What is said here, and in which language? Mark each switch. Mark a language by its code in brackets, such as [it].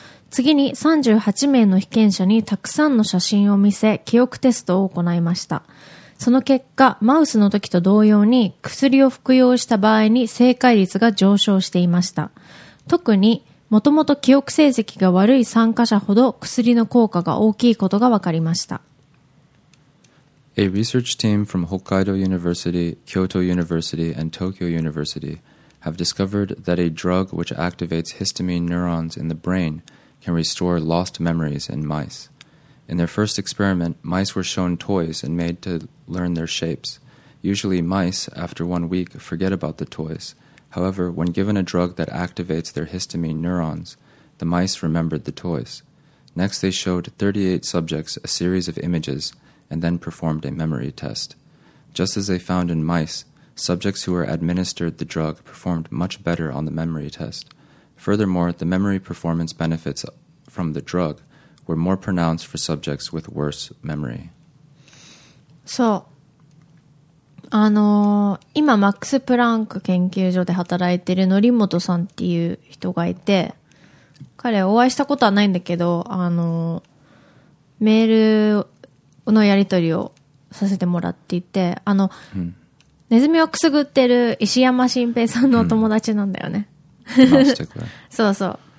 [ja] 次に38名の被験者にたくさんの写真を見せ記憶テストを行いました。その結果、マウスの時と同様に薬を服用した場合に正解率が上昇していました。特にもともと記憶成績が悪い参加者ほど薬の効果が大きいことが分かりました。 [en] A research team from Hokkaido University, Kyoto University and Tokyo University have discovered that a drug which activates histamine neurons in the brain can restore lost memories in mice. In their first experiment, mice were shown toys and made to learn their shapes. Usually mice, after 1 week, forget about the toys. However, when given a drug that activates their histamine neurons, the mice remembered the toys. Next, they showed 38 subjects a series of images and then performed a memory test. Just as they found in mice, subjects who were administered the drug performed much better on the memory test. Furthermore, the memory performance benefits from the drug were more pronounced for subjects with worse memory. So... [ja] 今マックス・プランク研究所で働いてる則本さんっていう人がいて、彼お会いしたことはないんだけど、メールのやり取りをさせてもらっていて、ネズミをくすぐってる石山新平さんの友達なんだよね。そうそう。